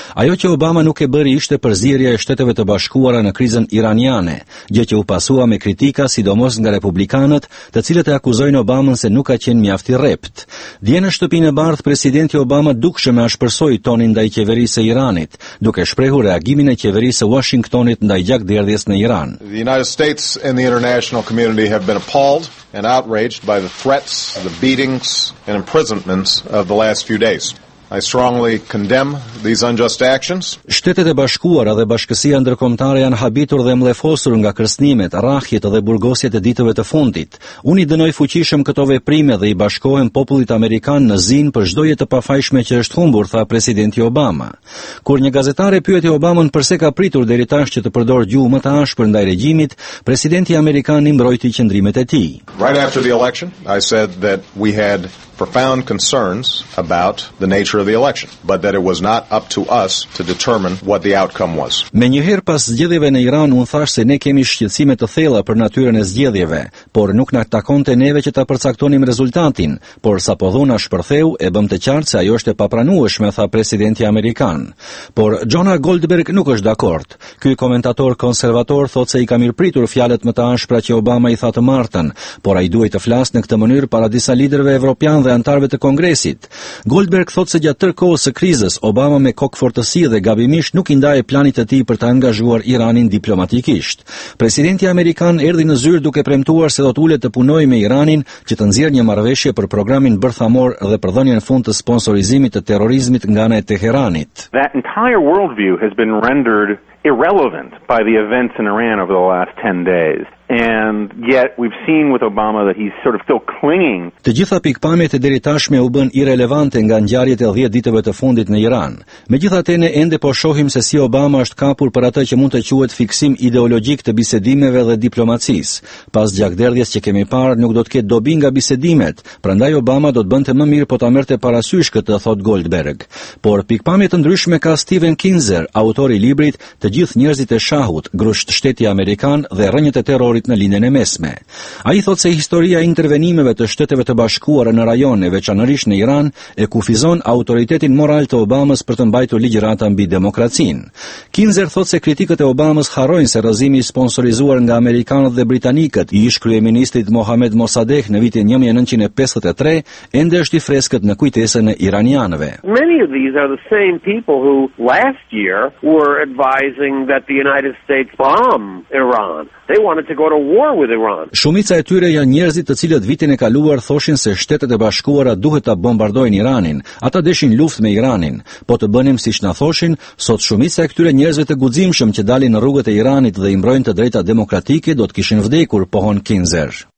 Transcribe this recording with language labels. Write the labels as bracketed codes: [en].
[sq] Ajo që Obama nuk e bëri ishte përzierja e Shteteve të Bashkuara në krizën iraniane, gjë që u pasua me kritika sidomos nga republikanët, të cilët e akuzojnë Obamën se nuk ka qenë mjaft i rrept. Dje në shtëpinë e bardhë, presidenti Obama dukshëm e ashpërsoi tonin ndaj qeverisë së Iranit, duke shprehur reagimin e qeverisë së Washingtonit ndaj gjakderdhjes në Iran. [en] The United States and the international community have been appalled and outraged by the threats, the beatings and imprisonments of the last few days. I strongly condemn these unjust actions. [sq] Shtetet e Bashkuara dhe Bashkësia Ndërkombëtare janë habitur dhe mlefosur nga kërcënimet, rrahjet dhe burgosjet e ditëve të fundit. Unë i dënoj fuqishëm këto veprime dhe i bashkohem popullit amerikan në zinë për çdo jetë pafajshme që është humbur, tha presidenti Obama. Kur një gazetare pyeti Obamën pse ka pritur deri tash që të përdorë gjuhë më të ashpër ndaj regjimit, presidenti amerikan i mbrojti qëndrimet e tij. [en] Right after the election, I said that we had profound concerns about the nature of the election, but that it was not up to us to determine what the outcome was. [sq] Me njëherë pas zgjedhjeve në Iran, unë thash se ne kemi shqetësime të thella për natyrën e zgjedhjeve, por nuk na takonte neve që ta përcaktonim rezultatin, por sapo dhona shpërtheu, e bëm të qartë se ajo është e papranueshme, tha presidenti amerikan. Por Jonah Goldberg nuk është dakord. Ky komentator konservator thotë se i ka mirëpritur fjalët më të ashpra që Obama i tha të martën, por ai duhet të flasë në këtë mënyrë para disa liderëve evropianë dhe antarëve të Kongresit. Goldberg thotë se gjatë tërë kohës së krizës, Obama me kokfortësi dhe gabimisht nuk i ndaje planit të tij për të angazhuar Iranin diplomatikisht. Presidenti amerikan erdhi në zyrë duke premtuar se do të ulet të punojë me Iranin që të nxjerrë një marrëveshje për programin bërthamor dhe për dhënien fund të sponsorizimit të terrorizmit nga ana e Teheranit. [en] That entire worldview has been rendered irrelevant by the events in Iran over the last 10 days. And yet we've seen with Obama that he's sort of still clinging. [sq] Të gjitha pikpamjet e deri tashme u bën irrelevante nga ngjarjet e 10 ditëve të fundit në Iran. Megjithatë ne ende po shohim se si Obama është kapur për atë që mund të quhet fiksim ideologjik të bisedimeve dhe diplomacisë. Pas gjakderdhjes që kemi parë, nuk do të ketë dobi nga bisedimet, prandaj Obama do të bënte më mirë po ta merrte parasysh këtë, thot Goldberg. Por pikpamje të ndryshme ka Steven Kinzer, autori i librit Të gjithë njerëzit e shahut, grusht shteti amerikan dhe rrënjët e terror në linjën e mesme. Ai thot se historia e intervenimeve të Shteteve të Bashkuara në rajone, veçanërisht në Iran, e kufizon autoritetin moral të Obamës për të mbajtur ligjërat mbi demokracinë. Kinzer thot se kritikët e Obamës harrojnë se rrëzimi i sponsorizuar nga amerikanët dhe britanikët i ish kryeministit Mohammed Mossadegh në vitin 1953 ende është i freskët në kujtesën e iranianëve. [en] Many of these are the same people who last year were advising that the United States bomb Iran. They wanted to go to war with Iran. [sq] Shumica e tyre janë njerëzit të cilët vitin e kaluar thoshin se Shtetet e Bashkuara duhet ta bombardojnë Iranin. Ata deshin luftë me Iranin. Po të bënim siç na thoshin, sot shumica e këtyre njerëzve të guximshëm që dalin në rrugët e Iranit dhe i mbrojnë të drejtat demokratike do të kishin vdekur, pohon Kinzer.